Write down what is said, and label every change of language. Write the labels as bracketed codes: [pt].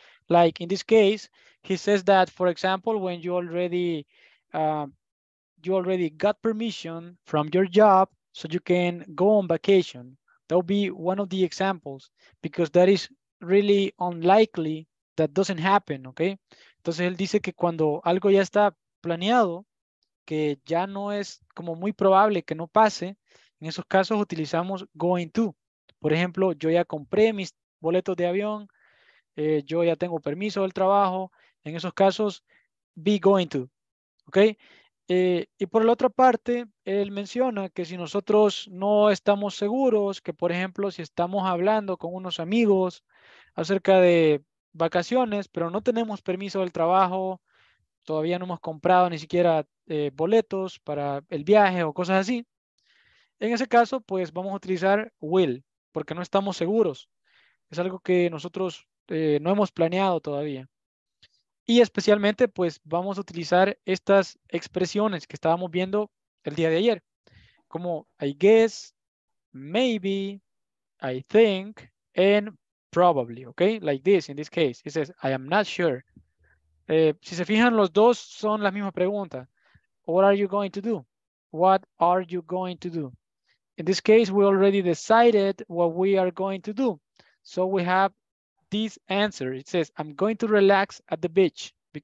[en] Like in this case, he says that, for example, when you already got permission from your job, so you can go on vacation. That'll be one of the examples, because that is really unlikely that doesn't happen, okay? [es] Entonces él dice que cuando algo ya está planeado, que ya no es como muy probable que no pase, en esos casos utilizamos going to. Por ejemplo, yo ya compré mis boletos de avión, yo ya tengo permiso del trabajo, en esos casos, be going to, okay? Y por la otra parte, él menciona que si nosotros no estamos seguros, que por ejemplo, si estamos hablando con unos amigos acerca de vacaciones, pero no tenemos permiso del trabajo, todavía no hemos comprado ni siquiera boletos para el viaje o cosas así, en ese caso, pues vamos a utilizar will, porque no estamos seguros. Es algo que nosotros no hemos planeado todavía. Y especialmente, pues, vamos a utilizar estas expresiones que estábamos viendo el día de ayer. [en] Como I guess, maybe, I think, and probably, okay? Like this, in this case. He says, I am not sure. [es] Si se fijan, los dos son la misma pregunta. [en] What are you going to do? What are you going to do? In this case, we already decided what we are going to do. So we have this answer. It says, I'm going to relax at the beach.